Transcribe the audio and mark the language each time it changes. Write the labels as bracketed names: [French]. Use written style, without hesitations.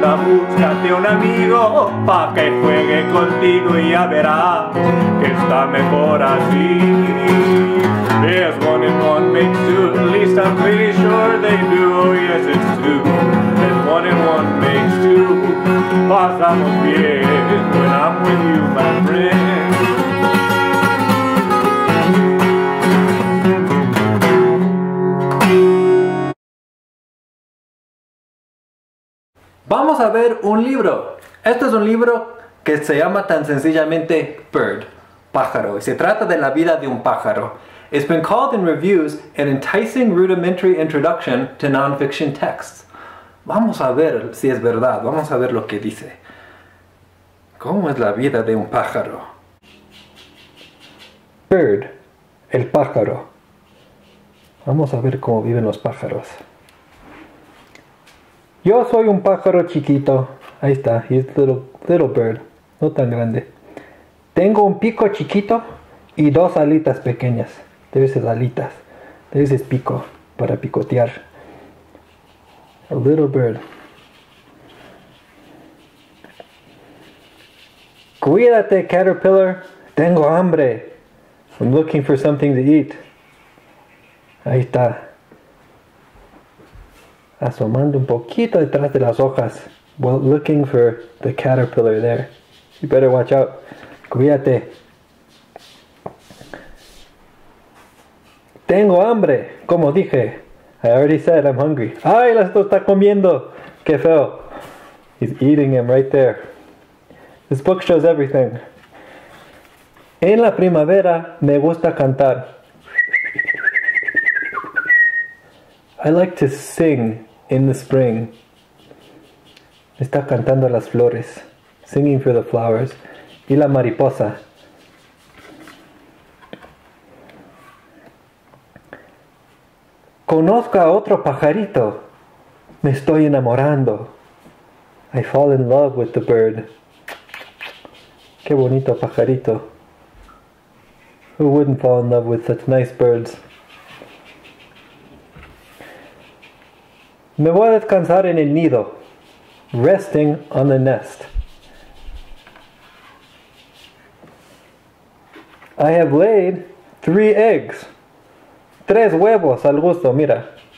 [Spanish] búscate un amigo pa' que juegue contigo y ya verás que está mejor así. [English] Yes, one and one make two, at least I'm pretty sure they do. Oh yes, it's true, yes, one and one makes two. [Spanish] Pasamos bien [English] when I'm with you, my friend. [Spanish] Vamos a ver un libro. Este es un libro que se llama tan sencillamente Bird, pájaro, y se trata de la vida de un pájaro. [English] It's been called in reviews an enticing rudimentary introduction to nonfiction texts. [Spanish] Vamos a ver si es verdad, vamos a ver lo que dice. ¿Cómo es la vida de un pájaro? Bird, el pájaro. Vamos a ver cómo viven los pájaros. Yo soy un pájaro chiquito. Ahí está, [English] he's a little bird. [Spanish] No tan grande. Tengo un pico chiquito y dos alitas pequeñas. Debe ser alitas. Debe ser pico para picotear. [English] A little bird. [Spanish] Cuídate, caterpillar. Tengo hambre. [English] I'm looking for something to eat. [Spanish] Ahí está. Asomando un poquito detrás de las hojas. [English] Well, looking for the caterpillar there. You better watch out. [Spanish] Cuídate. Tengo hambre, como dije. [English] I already said I'm hungry. [Spanish] ¡Ay, la está comiendo! ¡Qué feo! [English] He's eating him right there. This book shows everything. [Spanish] En la primavera me gusta cantar. [English] I like to sing. In the spring, [Spanish] está cantando las flores, [English] singing for the flowers, [Spanish] y la mariposa. Conozco a otro pajarito, me estoy enamorando. [English] I fall in love with the bird. [Spanish] Qué bonito pajarito. [English] Who wouldn't fall in love with such nice birds? [Spanish] Me voy a descansar en el nido. [English] Resting on the nest. I have laid 3 eggs. [Spanish] 3 huevos al gusto, mira.